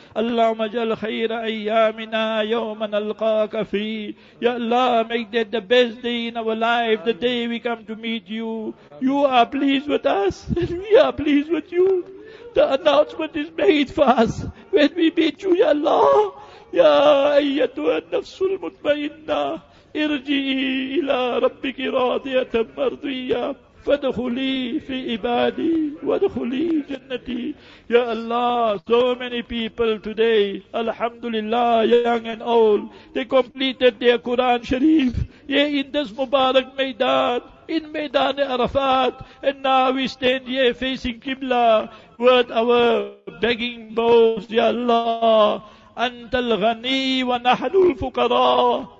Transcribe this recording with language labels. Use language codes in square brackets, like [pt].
[ar] Allahumma jal khayra ayyamina yawma nalqaka fi. [en] Ya Allah, make that the best day in our life, the day we come to meet you. You are pleased with us, and we are pleased with you. The announcement is made for us when we meet you, ya Allah. [ar] يا أيتها النفس المطمئنة ارجئي إلى ربك راضية مرضية فادخلي في عبادي وادخلي جنتي. [en] يا الله, so many people today, alhamdulillah, young and old, they completed their Quran Sharif here in this Mubarak Maidan, in Maidan Arafat, and now we stand here facing Qibla with our begging bowls. [ar] يا الله, أنت الغني ونحن الفقراء.